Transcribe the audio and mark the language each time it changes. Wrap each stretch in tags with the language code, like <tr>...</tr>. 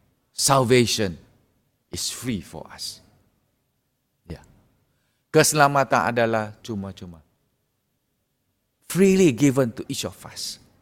<en>Salvation is free for us.</en> <id>Keselamatan adalah cuma-cuma.</id> <en>Freely given to each of us.</en>